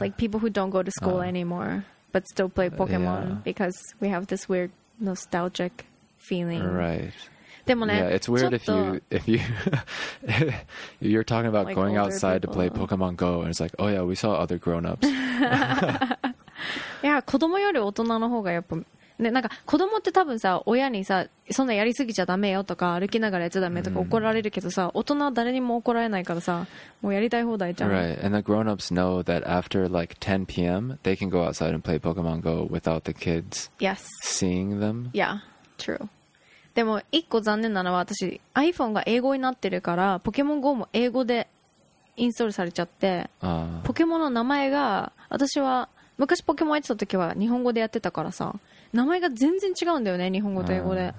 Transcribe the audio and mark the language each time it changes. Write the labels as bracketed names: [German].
[English] Like, people who don't go to school anymore, but still play Pokemon because we have this weird nostalgic feeling. Right. [Japanese] でもね、 [English] yeah, it's weird if you're talking about like going outside to play Pokemon Go and it's like, oh yeah, we saw other grown-ups. [Japanese] いや、子供より大人の方がやっぱ、ね、なんか子供って多分さ、親にさ、そんなやりすぎちゃダメよとか、歩きながらやっちゃダメとか怒られるけどさ、大人は誰にも怒られないからさ、もうやりたい放題じゃん。 [English] Right, and the grown-ups know that after like 10 p.m., they can go outside and play Pokemon Go without the kids seeing them. Yeah, true. [Japanese] でも一個残念なのは、私 iPhone が英語になってるから、ポケモン GO も英語でインストールされちゃって、ポケモンの名前が、私は昔ポケモンやってた時は日本語でやってたからさ、名前が全然違うんだよね、日本語と英語で。